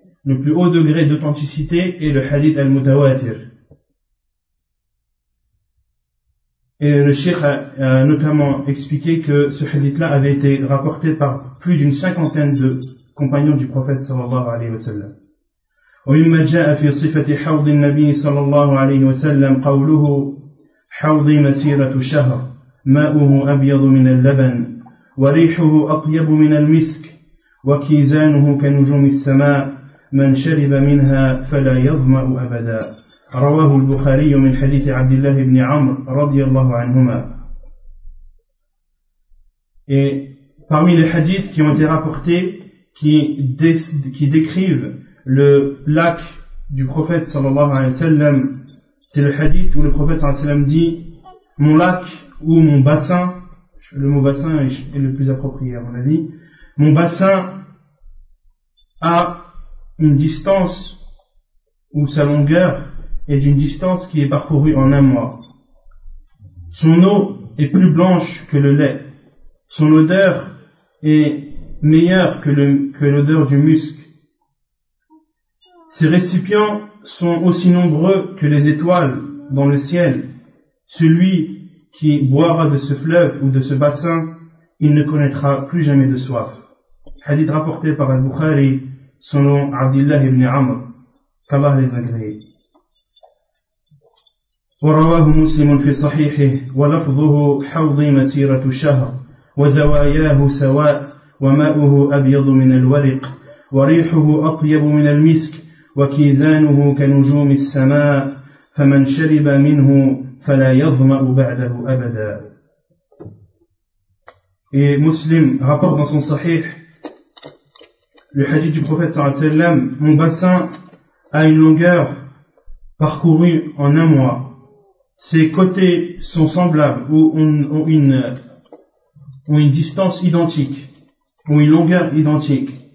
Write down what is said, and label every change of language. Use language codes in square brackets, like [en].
[fr] Le plus haut degré d'authenticité est le hadith al-mutawatir. Et le cheikh a notamment expliqué que ce hadith-là avait été rapporté par plus d'une cinquantaine de compagnons du prophète sallallahu alayhi wa sallam. [ar] ومما جاء في صفة حوض النبي صلى الله عليه وسلم قوله حوضي مسيرة شهر ماؤه أبيض من اللبن وريحه أطيب من المسك وكيزانه كنجوم السماء من شرب منها فلا يظمأ أبدا رواه البخاري من حديث عبد الله بن عمر رضي الله عنهما. [fr] Et parmi les hadiths qui ont été rapportés qui décrivent le lac du prophète sallallahu alayhi wa sallam, c'est le hadith où le prophète sallallahu alayhi wa sallam dit « Mon lac ou mon bassin » le mot bassin est le plus approprié à mon avis « Mon bassin a une distance ou sa longueur est d'une distance qui est parcourue en un mois. Son eau est plus blanche que le lait. Son odeur est meilleure que l'odeur du musc. Ses récipients sont aussi nombreux que les étoiles dans le ciel. Celui qui boira de ce fleuve ou de ce bassin, il ne connaîtra plus jamais de soif. » Hadith rapporté par Al-Bukhari selon Abdullah ibn Amr, qu'Allah les agrée. [ar] ورواه مسلم في صحيحه ولفظه حوضي مسيرة شهر وزواياه سواء وماؤه أبيض من الورق وريحه أطيب من المسك وكيزانه كنجوم السماء فمن شرب منه فلا يظمأ بعده أبدا. [fr] Et مسلم rapporte dans son صحيح le hadith du prophète [ar] صلى الله عليه وسلم: [fr] mon bassin a une longueur parcourue en un mois. Ses côtés sont semblables ou ont une distance identique, ont une longueur identique.